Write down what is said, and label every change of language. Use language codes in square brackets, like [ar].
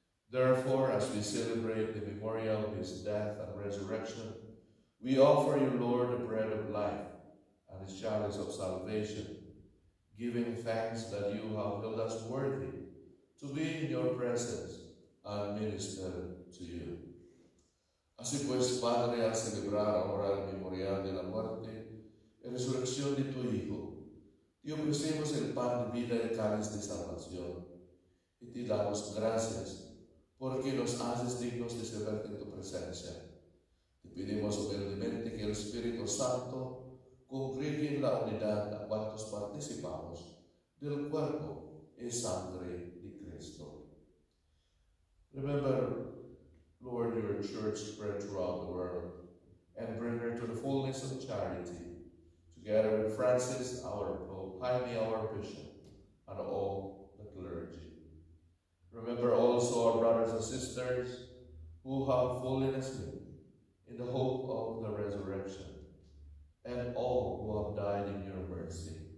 [en] Therefore, as we celebrate the memorial of his death and resurrection, we offer you, Lord, the bread of life and the chalice of salvation, giving thanks that you have held us worthy to be in your presence and minister to you. [es] Así pues, Padre, al celebrar ahora el memorial de la muerte y resurrección de tu Hijo, te ofrecemos el pan de vida y el cáliz de salvación, y te damos gracias porque nos haces dignos de servir en tu presencia. Te pedimos humildemente que el Espíritu Santo congregue en la unidad a cuantos participamos del cuerpo y sangre de Cristo. [en] Remember, Lord, your church spread throughout the world, and bring her to the fullness of charity, together with Francis, our Pope, Jaime, our Bishop, and all the clergy. Remember also our brothers and sisters who have fallen asleep in the hope of the resurrection, and all who have died in your mercy.